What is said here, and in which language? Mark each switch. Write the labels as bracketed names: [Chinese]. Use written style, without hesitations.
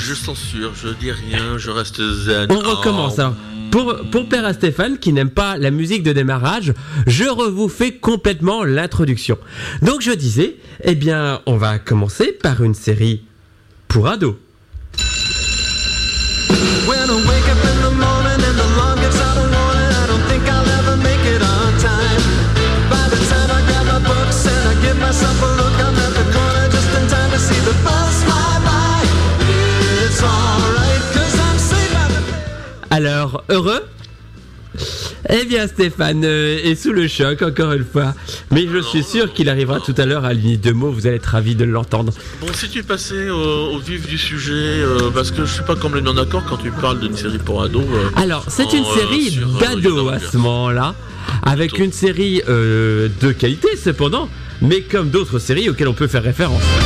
[French] Je censure, je dis rien, je reste zen. On recommence, alors. Pour plaire à Stéphane, qui n'aime pas la musique de démarrage, je revous fais complètement l'introduction. Donc, je disais, eh bien, on va commencer par une série pour ados. [English] When I wake up in the morning and the long gets out of warning, I don't think I'll ever make it on time. By the time I grab my books and I give myself a look, I'm at the corner just in time to see the bus fly by. It's alright, cause I'm safe by the... [French] Alors, heureux? Eh bien, Stéphane est sous le choc, encore une fois. Mais je suis sûr qu'il arrivera tout à l'heure à l'unité de mots, vous allez être ravis de l'entendre. Bon, si tu passais au vif du sujet, parce que je suis pas complètement d'accord quand tu parles d'une série pour ados. Alors, c'est une série d'ados à ce moment-là, avec une série de qualité cependant, mais comme d'autres séries auxquelles on peut faire référence.